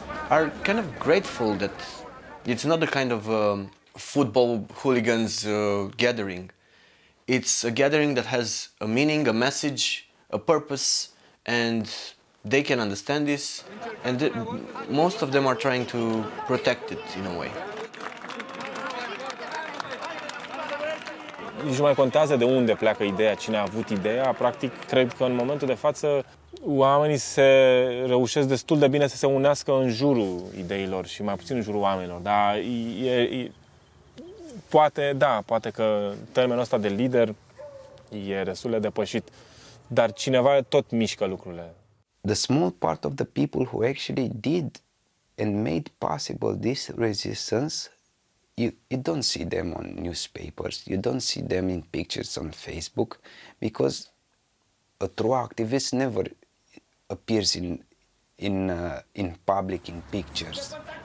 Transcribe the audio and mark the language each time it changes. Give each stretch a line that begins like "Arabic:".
English: Are kind of grateful that it's not a kind of football hooligans gathering. It's a gathering that has a meaning, a message, a purpose, and they can understand this, and most of them are trying to protect it in a way.
Romanian: Nici mai contează de unde pleacă ideea, cine a avut ideea, practic cred că în momentul de față oamenii se reușesc destul de bine să se unească în jurul ideilor și mai puțin în jurul oamenilor. Dar poate că termenul ăsta de lider e destul de depășit, dar cineva tot mișcă lucrurile.
English: The small part of the people who actually did and made possible this resistance, you don't see them on newspapers, you don't see them in pictures on Facebook, because a true activist never appears in public, in pictures.